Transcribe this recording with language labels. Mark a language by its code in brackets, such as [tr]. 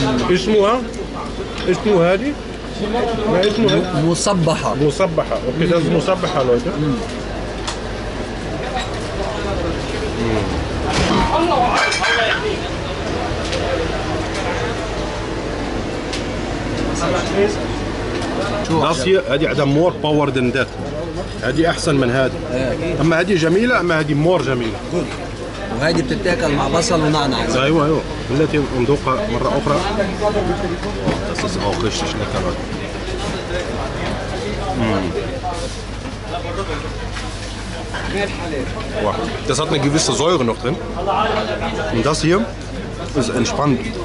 [ar] ايش اسمها؟ ايش اسمها هذه؟ ما اسمها؟ مصبحة مصبحة اوكي لازم مصبحة لوحدها [de] Das hier, die hat [en] more power than that. [de] Die [ar] احسن من هذا. اما هذه جميله اما هذه مور جميله. وهذه بتتاكل مع بصل ونعناع. ايوه ايوه. بلاتي نذوقها مره اخرى. [de] Das ist auch richtig lecker. Wow. Das hat eine gewisse Säure noch drin. Und das hier ist entspannt.